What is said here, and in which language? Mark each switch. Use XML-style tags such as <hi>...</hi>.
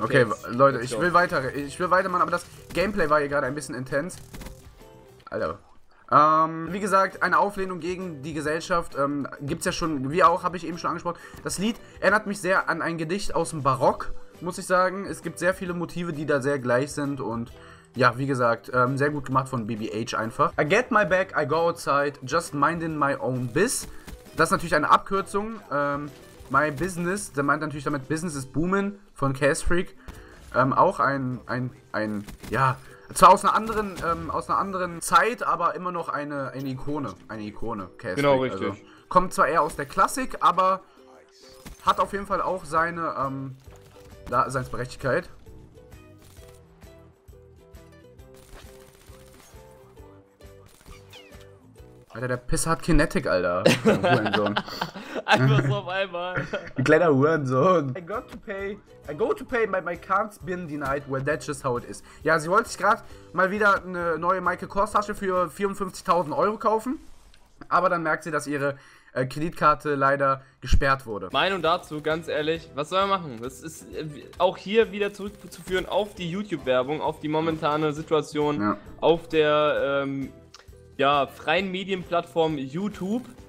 <de>Okay Leute, ich will weitermachen, aber das Gameplay war hier gerade ein bisschen intens. Alter. Wie gesagt, eine Auflehnung gegen die Gesellschaft gibt's ja schon, wie auch, habe ich eben schon angesprochen. Das Lied erinnert mich sehr an ein Gedicht aus dem Barock, muss ich sagen. Es gibt sehr viele Motive, die da sehr gleich sind und Ja, wie gesagt, sehr gut gemacht von BBH einfach.</de> <en>I get my back, I go outside, just minding my own biz.</en> <de>Das ist natürlich eine Abkürzung.</de> <en>My business,</en> <de>der meint natürlich damit</de> <en>Business is booming</en> <de>von Cassfreak. Auch ein ja, zwar aus einer anderen Zeit, aber immer noch eine Ikone. Eine Ikone, Cassfreak. Genau, richtig. Also, kommt zwar eher aus der Klassik, aber hat auf jeden Fall auch seine Daseinsberechtigkeit. Alter, der Pisser hat Kinetic, Alter. Einfach so auf einmal. Ein kleiner Hurensohn.</de> <en>I go to pay, but my card's been denied. Well, that's just how it is.</en> <de>Ja, sie wollte sich gerade mal wieder eine neue Michael Kors Tasche für 54.000 Euro kaufen. Aber dann merkt sie, dass ihre Kreditkarte leider gesperrt wurde. Meinung dazu, ganz ehrlich, was soll man machen? Das ist auch hier wieder zurückzuführen auf die YouTube-Werbung, auf die momentane Situation, ja, auf der freien Medienplattform YouTube.</de>